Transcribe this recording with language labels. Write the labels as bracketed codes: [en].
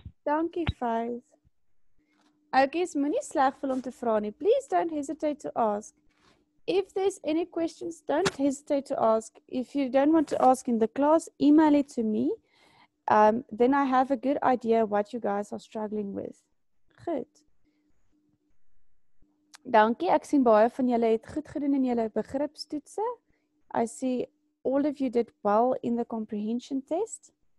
[en] Thank you, [af] Faith. Okay, so moenie sleg voel om te vra nie. [en] Please don't hesitate to ask. If there's any questions, don't hesitate to ask. If you don't want to ask in the class, email it to me. Then I have a good idea what you guys are struggling with. [af] Goed. Dankie. Ek sien baie van julle het goed gedoen in julle begripstoetse. [en] I see all of you did well in the comprehension test.